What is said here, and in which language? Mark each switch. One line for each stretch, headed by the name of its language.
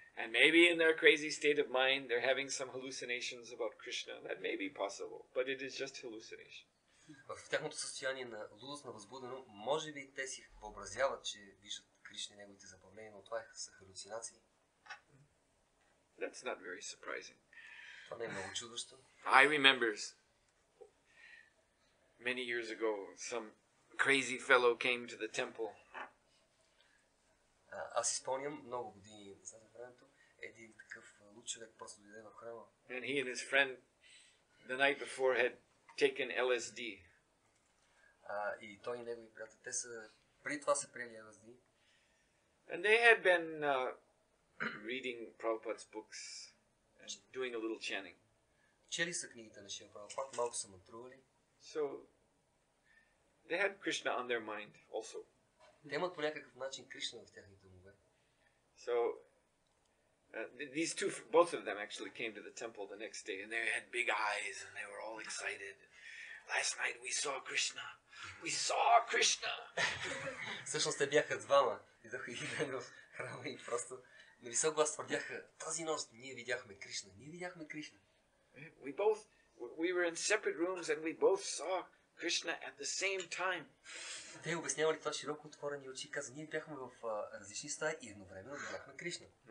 English: And maybe in their crazy state of mind, they're having some hallucinations about Krishna. That may be possible, but it is just hallucination.
Bulgarian: В тяхното състояние на лудост, на възбудено, може би те си въобразяват, че виждат Кришна и неговите забавления, но това са халюцинации.
English: That's not very surprising.
Bulgarian: Това не е много чудващо.
English: I remember many years ago, some crazy fellow came to the temple.
Bulgarian: Аз си спомням много години, един такъв луд човек просто дойде в храма.
English: And he and his friend the night before had taken LSD.
Bulgarian: И той и негови приятели, те са преди това са приели LSD.
English: And they had been reading Prabhupada's books and doing a little chanting.
Bulgarian: Чели са книгите на Шрила Прабхупада, малко са мантрували.
English: So they had Krishna on their mind also.
Bulgarian: Те имат по някакъв начин Кришна в тяхните умове.
English: So these two, both of them actually came to the temple the next day and they had big eyes and they were all excited. Last night we saw Krishna. We saw Krishna.
Bulgarian: Всъщност те бяха двама. Идоха и ден в храма и просто на висок глас твърдяха, тази нощ ние видяхме Кришна. Ние видяхме Кришна.
English: We both, we were in separate rooms and we both saw Krishna at the same time.
Bulgarian: Те обяснявали това широко отворени очи, каза, ние бяхме в различни стаи и едновременно видяхме Кришна.